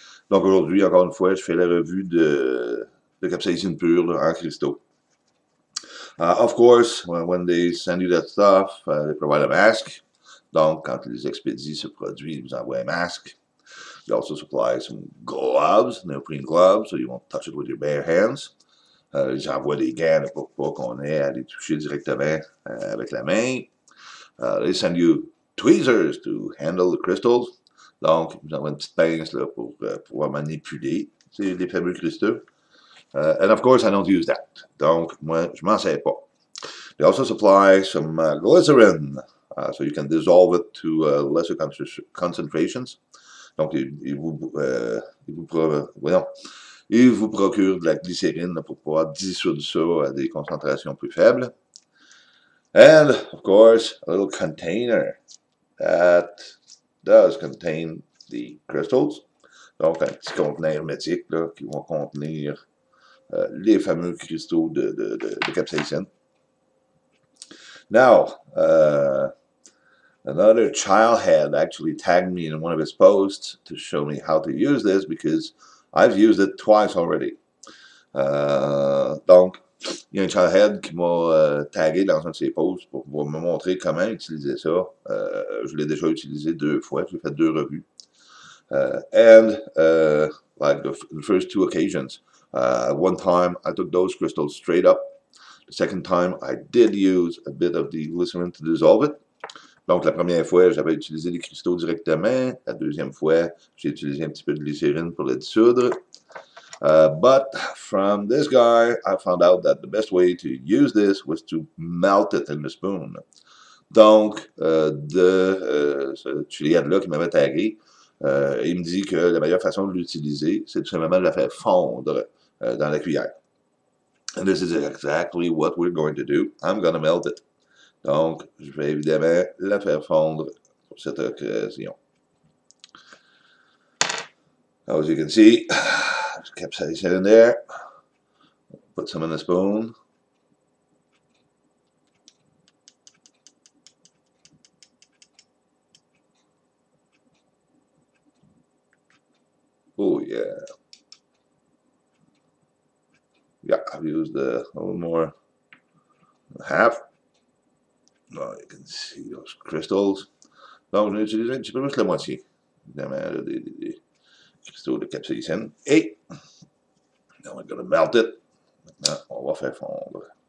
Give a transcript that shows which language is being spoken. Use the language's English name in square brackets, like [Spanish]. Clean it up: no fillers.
[French] Donc aujourd'hui, encore une fois, je fais la revue de capsaicin pur en cristaux. [English] Of course, when they send you that stuff, they provide a mask. [French] Donc, quand ils expédient ce produit, ils vous envoient un masque. [English] They also supply some gloves, neoprene gloves, so you won't touch it with your bare hands. [French] J'envoie des gants pour pas qu'on ait à les toucher directement avec la main. [English] They send you tweezers to handle the crystals. [French] Donc, ils envoient une petite pince là, pour pouvoir manipuler les fameux cristaux. [English] And of course, I don't use that. [French] Donc, moi, je m'en sers pas. [English] They also supply some glycerin, so you can dissolve it to lesser concentrations. [French] Donc, ils vous procurent de la glycérine pour pouvoir dissoudre ça à des concentrations plus faibles. [English] And, of course, a little container that does contain the crystals. [French] Donc, un petit conteneur hermétique là, qui vont contenir les fameux cristaux de capsaicine. [English] Now, another child had actually tagged me in one of his posts to show me how to use this because I've used it twice already. [French] Donc, il y a un childhead qui m'a tagué dans un de ses posts pour pouvoir me montrer comment utiliser ça. Je l'ai déjà utilisé deux fois, j'ai fait deux revues. [English] The first two occasions, one time I took those crystals straight up. The second time I did use a bit of the glycerin to dissolve it. [French] Donc, la première fois, j'avais utilisé les cristaux directement. La deuxième fois, j'ai utilisé un petit peu de glycérine pour les dissoudre. [English] But from this guy, I found out that the best way to use this was to melt it in the spoon. [French] Donc, ce chiliade-là qui m'avait tagué, il me dit que la meilleure façon de l'utiliser, c'est tout simplement de la faire fondre dans la cuillère. [English] And this is exactly what we're going to do. I'm going to melt it. [French] Donc, je vais évidemment la faire fondre pour cette occasion. [English] As you can see, just capsaicin in there. Put some in the spoon. Oh, yeah. Yeah, I've used a little more than half. Oh, you can see those crystals. [French] Donc, j'ai utilisé un petit peu plus la moitié, évidemment, des cristaux de capsaicine. Et, [English] now we're gonna melt it. [French] Maintenant, on va faire fondre.